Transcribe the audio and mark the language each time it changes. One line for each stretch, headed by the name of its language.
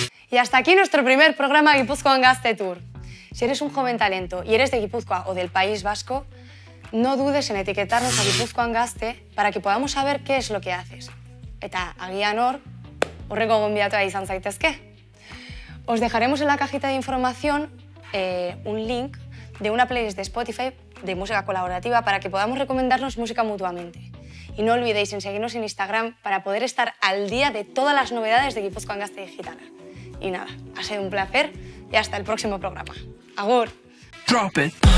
Spanish: Y hasta aquí nuestro primer programa Gipuzkoan Gazte Tour. Si eres un joven talento y eres de Gipuzkoa o del País Vasco, no dudes en etiquetarnos a Gipuzkoan Gazte para que podamos saber qué es lo que haces.
Basque: Eta agian hor, horrengo gonbidatua izan zaitezke.
Spanish: Os dejaremos en la cajita de información un link de una playlist de Spotify de música colaborativa para que podamos recomendarnos música mutuamente. Y no olvidéis en seguirnos en Instagram para poder estar al día de todas las novedades de Gipuzkoan Gazte Digitala. Y nada, ha sido un placer y hasta el próximo programa. ¡Agur!
English: Drop it.